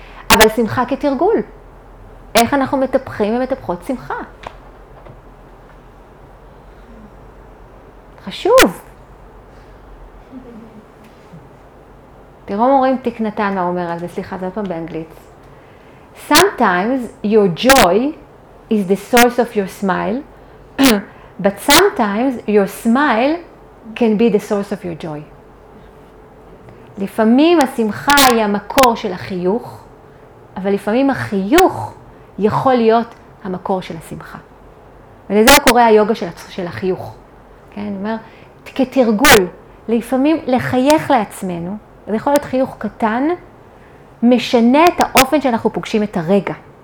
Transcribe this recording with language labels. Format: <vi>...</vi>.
<he>אבל שמחה כתרגול. איך אנחנו מטפחים ומטפחות שמחה? חשוב. תראו מורים תיק נתן מה אומר על זה, סליחה, זה פעם באנגלית.</he> <en>Sometimes your joy is the source of your smile, but sometimes your smile can be the source of your joy.</en> <he>לפעמים השמחה היא המקור של החיוך, אבל לפעמים החיוך יכול להיות המקור של השמחה. ולזה קורה היוגה של החיוך. כן, אומר, כתרגול, לפעמים לחייך לעצמנו, זה יכול להיות חיוך קטן, משנה את האופן שאנחנו פוגשים את הרגע.</he>